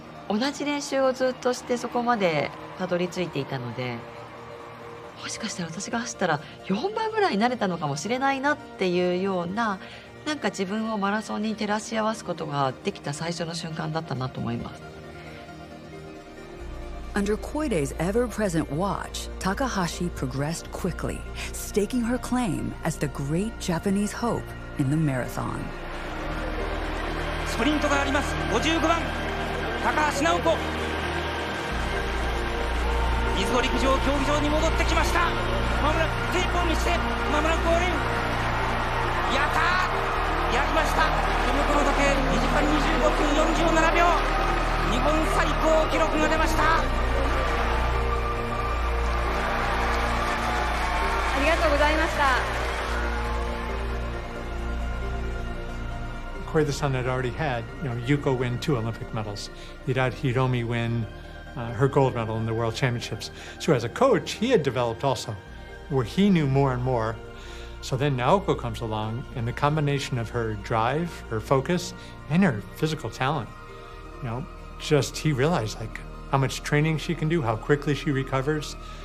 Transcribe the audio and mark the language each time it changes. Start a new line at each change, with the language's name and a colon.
Japanese: 同じ練習をずっとしてそこまでたどり着いていたので、もしかしたら私が走ったら4倍ぐらいになれたのかもしれないなっていうような、なんか自分をマラソンに照らし合わすことができた最初の瞬間だったなと思います。
English: Under Koide's ever-present watch, Takahashi progressed quickly, staking her claim as the great Japanese hope in the marathon.
Japanese: スプリントがあります。55番、高橋尚子。水戸陸上競技場に戻ってきました。まもなくテープを見せて、まもなくゴール。やったー、やりました。手元の時計、2時間25分47秒。日本最高記録が出ました。ありがとうございました。
English: Koide-san had already had, you know, Yuko win two Olympic medals. He'd had Hiromi win her gold medal in the World Championships. So as a coach, he had developed also, where he knew more and more. So then Naoko comes along, and the combination of her drive, her focus, and her physical talent, you know, just he realized like how much training she can do, how quickly she recovers.